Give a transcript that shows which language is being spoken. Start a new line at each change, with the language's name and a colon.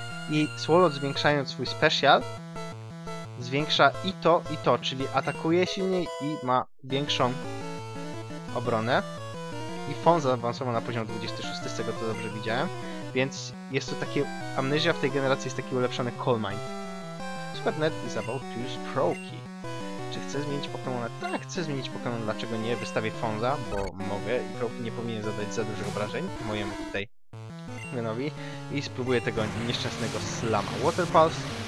Polish: I Swolot, zwiększając swój special, zwiększa i to, czyli atakuje silniej i ma większą obronę. I Fonza zaawansował na poziom 26, z tego to dobrze widziałem. Więc jest to takie... Amnesia w tej generacji jest taki ulepszony Coal Mine.
English: Super Nerd is about to use Pro Key.
Polish: Czy chcę zmienić Pokémona? Tak, chcę zmienić Pokémona. Dlaczego nie? Wystawię Fonza, bo mogę. I Pro Key nie powinien zadać za dużych obrażeń mojemu tutaj menowi. I spróbuję tego nieszczęsnego Slama. Water Pulse.